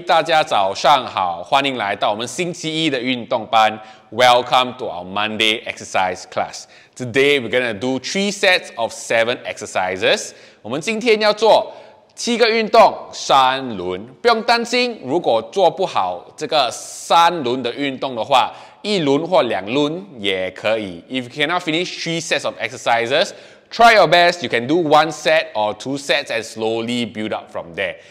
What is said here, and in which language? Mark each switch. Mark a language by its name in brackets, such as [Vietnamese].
[Chinese] 大家早上好，欢迎来到我们星期一的运动班。 [English] Welcome to our Monday exercise class. Today, we're going to do 3 sets of 7 exercises. [Chinese] 我们今天要做7个运动，3轮。不用担心，如果做不好这个3轮的运动的话，1轮或2轮也可以。 [English] If you cannot finish 3 sets of exercises,Try your best, you can do one set or two sets and slowly build up from there.